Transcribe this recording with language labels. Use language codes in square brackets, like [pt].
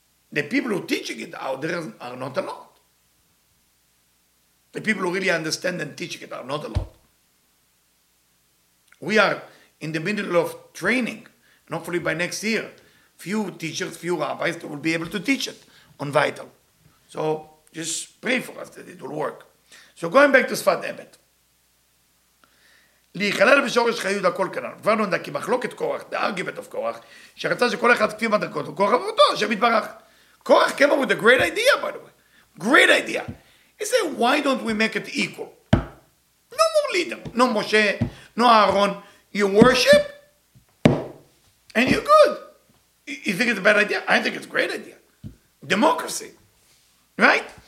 [en] The people who are teaching it out there are not a lot. The people who really understand and teaching it are not a lot. We are in the middle of training. And hopefully by next year, few teachers, few rabbis that will be able to teach it on Vital. So just pray for us that it will work. So going back to Sfat Emet. [he] להיכלל בשורש חיוד הכל כנן. כבר נודע כי מחלוקת קורח, [en] דארגיבת אוף קורח, [he] שרצה שכל אחד כפי מדרגות, קורח אותו, השם יתברך. [en] קורח came up with a great idea, by the way. Great idea. He said, why don't we make it equal? No more leader. No Moshe, no Aaron. You worship, and you're good. You think it's a bad idea? I think it's a great idea. Democracy. Right?